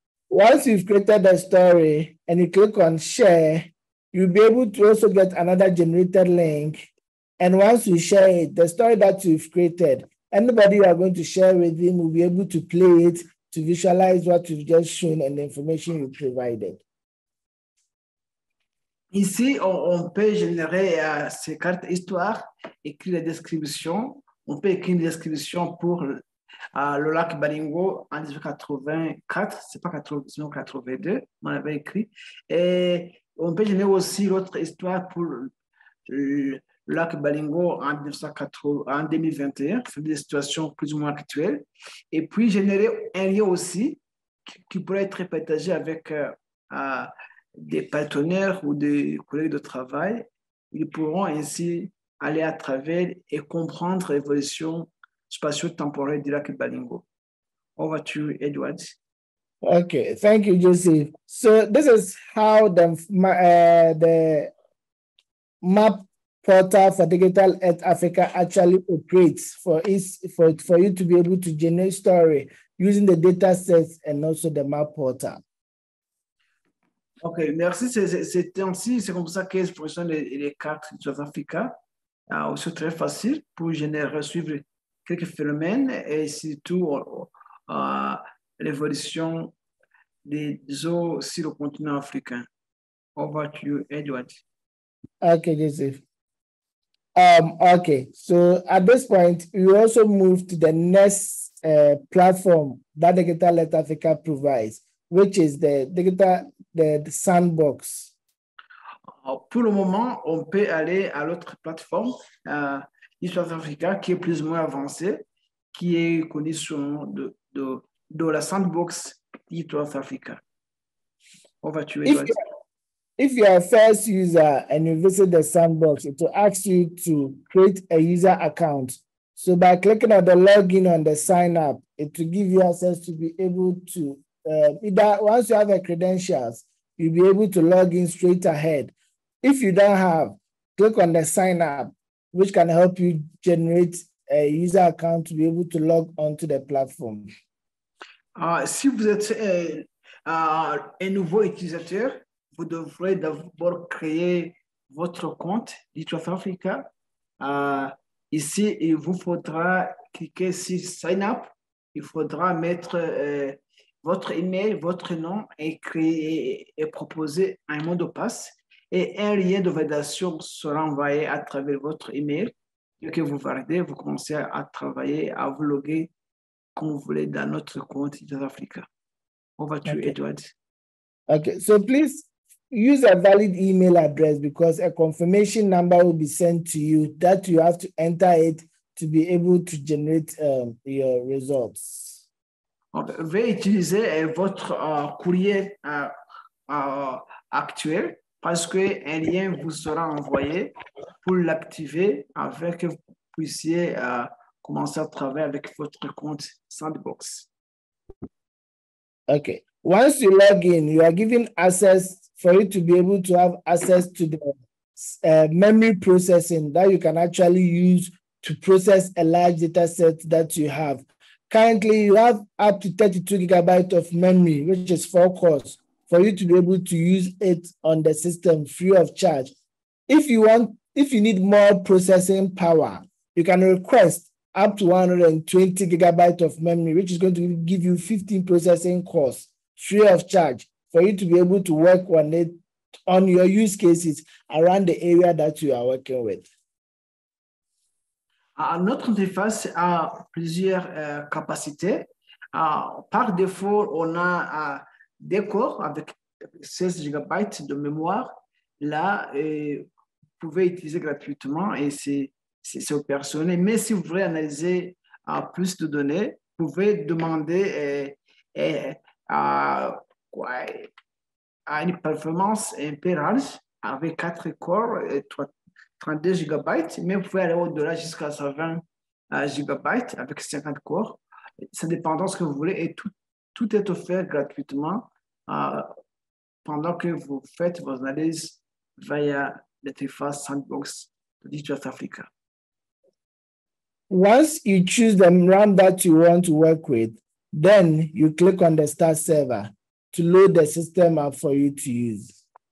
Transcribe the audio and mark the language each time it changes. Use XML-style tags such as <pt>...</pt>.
<en>Once you've created a story and you click on share, you'll be able to also get another generated link. And once you share it, the story that you've created, anybody you are going to share with them will be able to play it to visualize what you've just shown and the information you provided.</en> <fr>Ici, on peut générer ces cartes histoire, écrire la description. On peut écrire une description pour le lac Baringo en 1984, c'est pas 1982, on avait écrit. Et on peut générer aussi l'autre histoire pour le lac Baringo en 2021, c'est des situations plus ou moins actuelles. Et puis générer un lien aussi qui pourrait être partagé avec. Des partenaires ou des collègues de travail, ils pourront ainsi aller à travers et comprendre l'évolution spatio-temporelle du lac Baringo.</fr> <en>Over to you, Edward. Okay, thank you, Joseph. So this is how the map portal for Digital Earth Africa actually operates for you to be able to generate story using the data sets and also the map portal.</en> <fr>OK, merci. C'est comme ça qu'elles fonctionnent les cartes de South Africa. C'est très facile pour générer, suivre quelques phénomènes et surtout l'évolution des eaux sur le continent africain.</fr> <en>Over to you, Edward. Okay, Joseph. Okay, so at this point, we also move to the next platform that Digital Let Africa provides, which is the Digital the Sandbox.</en> <fr>Pour le moment, on peut aller à l'autre plateforme, Digital Africa, qui est plus ou moins avancée, qui est connue sous le nom de la Sandbox Digital Africa. On va tuer Edward.</fr> <en>If you are a first user and you visit the sandbox, it will ask you to create a user account. So by clicking on the login on the sign up, it will give you access to be able to, once you have the credentials, you'll be able to log in straight ahead. If you don't have, click on the sign up, which can help you generate a user account to be able to log onto the platform.</en> <fr>Si vous êtes un nouveau utilisateur, vous devrez d'abord créer votre compte Digital Africa. Ici, il vous faudra cliquer sur Sign Up. Il faudra mettre votre email, votre nom et proposer un mot de passe. Et un lien de validation sera envoyé à travers votre email. Dès que vous validez, vous commencez à travailler, à vous loguer comme vous voulez dans notre compte Digital Africa.</fr> <en>Over to you, Edward. Okay, so please. Use a valid email address because a confirmation number will be sent to you that you have to enter it to be able to generate your results.</en> <fr>Veuillez utiliser votre courrier actuel parce qu'un lien vous sera envoyé pour l'activer afin que vous puissiez commencer à travailler avec votre compte Sandbox.</fr> <en>Okay. Once you log in, you are given access for you to be able to have access to the memory processing that you can actually use to process a large data set that you have. Currently, you have up to 32 gigabytes of memory, which is 4 cores, for you to be able to use it on the system free of charge. If you need more processing power, you can request up to 120 gigabytes of memory, which is going to give you 15 processing cores free of charge, for you to be able to work on it on your use cases around the area that you are working with.</en> <fr>Notre interface a plusieurs capacités. Par défaut, on a des cores avec 16 gigabytes de mémoire. Là, vous pouvez utiliser gratuitement et c'est opérationnel. Mais si vous voulez analyser plus de données, vous pouvez demander à une performance un peu large avec 4 cores et 32 gigabytes, mais vous pouvez aller au-delà jusqu'à 120 gigabytes avec 50 cores. Ça dépend de ce que vous voulez et tout est offert gratuitement pendant que vous faites vos analyses via l'interface Sandbox de Digital Africa.</fr> <en>Once you choose the RAM that you want to work with, then you click on the start server to load the system up for you to use.</en>